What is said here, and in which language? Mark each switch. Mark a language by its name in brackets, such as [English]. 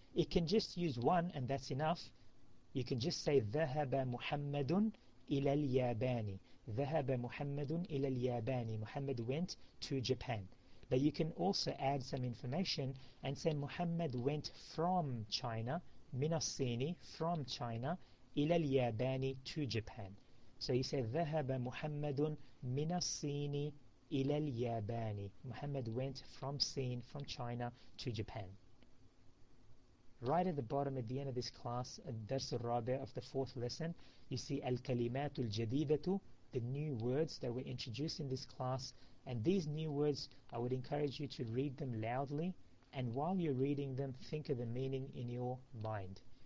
[English] It can just use one and that's enough. You can just say [Arabic] ذهب محمد إلى الياباني. ذهب محمد إلى الياباني. [English] Muhammad went to Japan. But you can also add some information and say Muhammad went from China, [Arabic] من الصيني, [English] from China, [Arabic] إلى الياباني, [English] to Japan. So you say [Arabic] ذهب محمد من الصيني إلى الياباني. [English] Muhammad went from Sin, from China, to Japan. Right at the bottom, at the end of this class, [Arabic] الدرس الرابع [English] of the fourth lesson, you see [Arabic] الكلمات الجديدة, [English] the new words that were introduced in this class. And these new words, I would encourage you to read them loudly, and while you're reading them, think of the meaning in your mind.